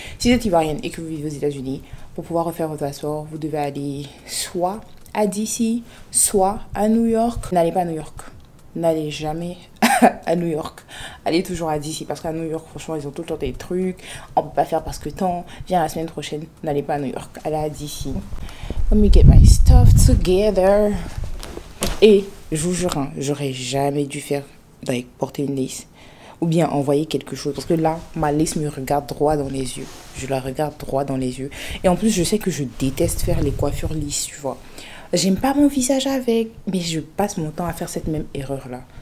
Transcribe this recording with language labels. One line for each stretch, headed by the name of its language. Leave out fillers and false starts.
French: Si vous êtes ivoirienne et que vous vivez aux États-Unis, pour pouvoir refaire votre passeport, vous devez aller soit à DC, soit à New York. N'allez pas à New York. N'allez jamais à New York. Allez toujours à DC parce qu'à New York, franchement, ils ont tout le temps des trucs. On peut pas faire parce que tant. Viens la semaine prochaine, n'allez pas à New York. Allez à DC.
English: Let me get my stuff together.
French: Et je vous jure, hein, j'aurais jamais dû faire, porter une liste. Ou bien envoyer quelque chose. Parce que là, ma liste me regarde droit dans les yeux. Je la regarde droit dans les yeux. Et en plus, je sais que je déteste faire les coiffures lisses, tu vois. J'aime pas mon visage avec. Mais je passe mon temps à faire cette même erreur-là.